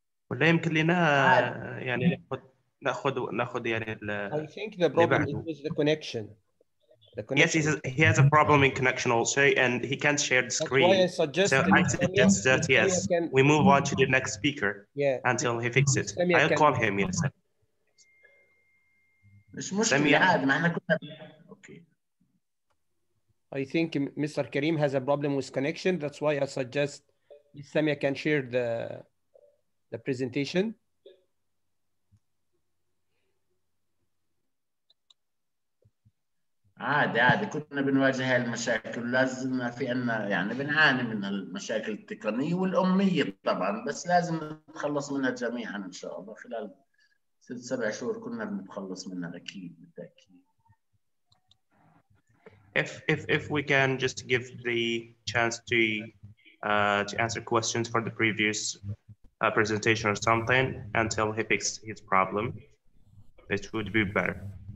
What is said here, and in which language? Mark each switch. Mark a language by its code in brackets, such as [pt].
[ar] ولا يمكن لنا يعني ناخذ يعني ال [en] I think the problem is the connection. Yes, he has a problem in connection also, and he can't share the screen. So I suggest that yes, we move on to the next speaker until he fixes it. I'll call him. Yes. [ar] مش مشكلة عادي معنا كلنا. [en] Okay. I think Mr. Karim has a problem with connection. That's why I suggest Samia can share the presentation. [ar] عادي كنا بنواجه هاي المشاكل، لازم في أن يعني بنعاني من المشاكل التقنية والأمية طبعا، بس لازم نتخلص منها جميعا إن شاء الله خلال 6-7 شهور كنا بنتخلص منها أكيد بالتأكيد. [en] If we can just give the chance to answer questions for the previous presentation or something until he fixes his problem, it would be better.